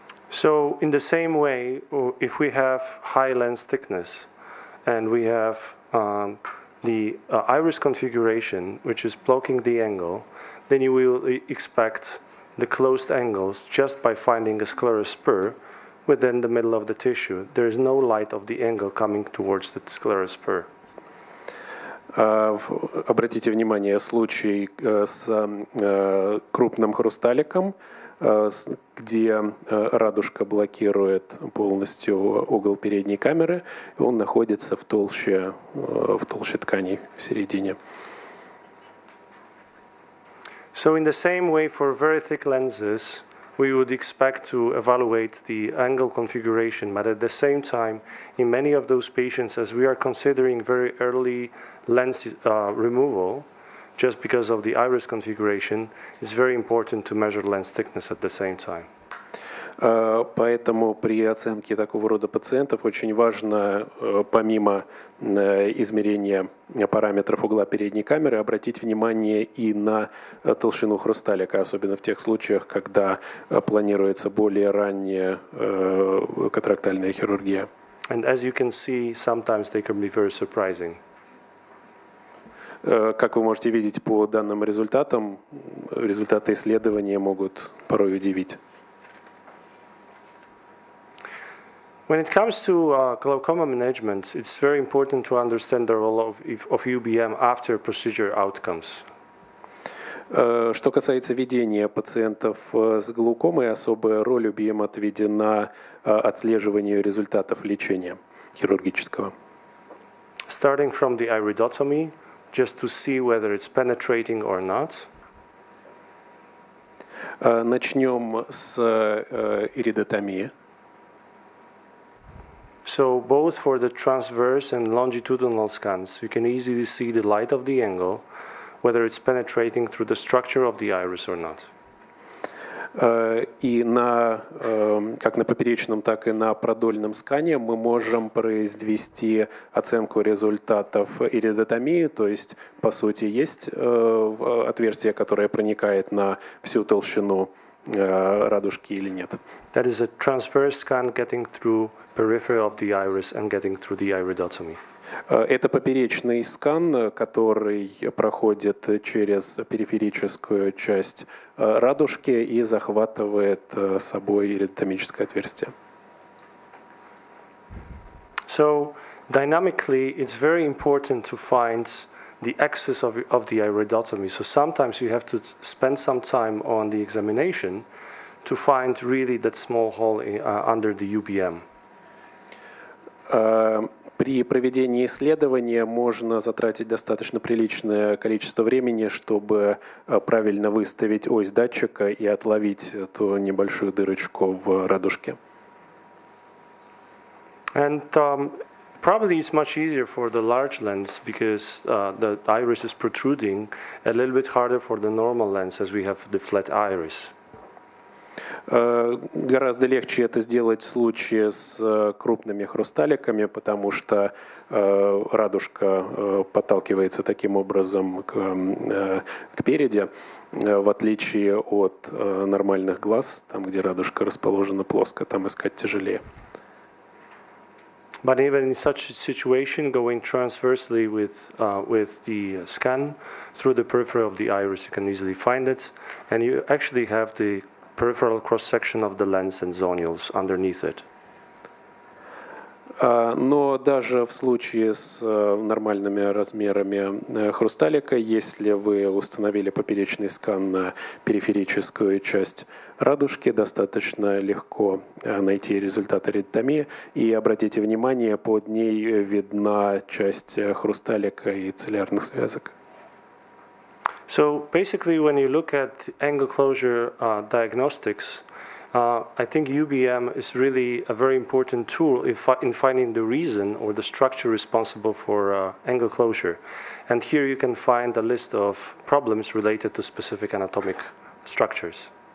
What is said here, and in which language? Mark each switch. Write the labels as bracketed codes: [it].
[en] So in the same way, if we have high lens thickness, and we have the iris configuration, which is blocking the angle, then you will expect the closed angles just by finding a scleral spur within the middle of the tissue. There is no light of the angle coming towards the scleral spur. [ru] Обратите внимание, случай с крупным хрусталиком, где радужка блокирует полностью угол передней камеры, и он находится в толще тканей в середине. [en] So in the same way for very thick lenses, we would expect to evaluate the angle configuration, but at the same time, in many of those patients, as we are considering very early lens removal, just because of the iris configuration, it's very important to measure lens thickness at the same time. [ru] Поэтому при оценке такого рода пациентов очень важно, помимо измерения параметров угла передней камеры, обратить внимание и на толщину хрусталика, особенно в тех случаях, когда планируется более ранняя катарактальная хирургия. [en] And as you can see, sometimes they can be very surprising. [ru] Как вы можете видеть по данным результатам, результаты исследования могут порой удивить. [en] When it comes to glaucoma management, it's very important to understand the role of UBM after procedure outcomes. [ru] Что касается ведения пациентов с глаукомой, особая роль UBM отведена отслеживанию результатов лечения. хирургического. [en] Starting from the iridotomy, just to see whether it's penetrating or not. [ru] Начнем с иридотомии. [en] So both for the transverse and longitudinal scans, you can easily see the light of the angle, whether it's penetrating through the structure of the iris or not. [ru] И на как на поперечном, так и на продольном скане мы можем произвести оценку результатов иридотомии, то есть, по сути, есть отверстие, которое проникает на всю толщину радужки или нет. [en] That is a transverse scan getting through periphery of the iris and getting through the iridotomy. [ru] Это поперечный скан, который проходит через периферическую часть радужки и захватывает собой иридотомическое отверстие. [en] So dynamically it's very important to find the axis of the iridotomy. So sometimes you have to spend some time on the examination to find really that small hole under the UBM. [ru] При проведении исследования можно затратить достаточно приличное количество времени, чтобы правильно выставить ось датчика и отловить ту небольшую дырочку в радужке. [en] And probably it's much easier for the large lens because the iris is protruding, a little bit harder for the normal lens as we have the flat iris. [ru] Гораздо легче это сделать в случае с крупными хрусталиками, потому что радужка подталкивается таким образом к переди, в отличие от нормальных глаз, там, где радужка расположена плоско, там искать тяжелее. [en] But even in such a situation, going transversely with the scan through the periphery of the iris, you can easily find it, and you actually have the peripheral cross-section of the lens and zonules underneath it. [ru] Но даже в случае с нормальными размерами хрусталика, если вы установили поперечный скан на периферическую часть радужки, достаточно легко найти результат иридотомии. И обратите внимание, под ней видна часть хрусталика и целлярных связок. [en] So basically, when you look at angle closure diagnostics, I think UBM is really a very important tool in finding the reason or the structure responsible for angle closure. And here you can find a list of problems related to specific anatomic structures.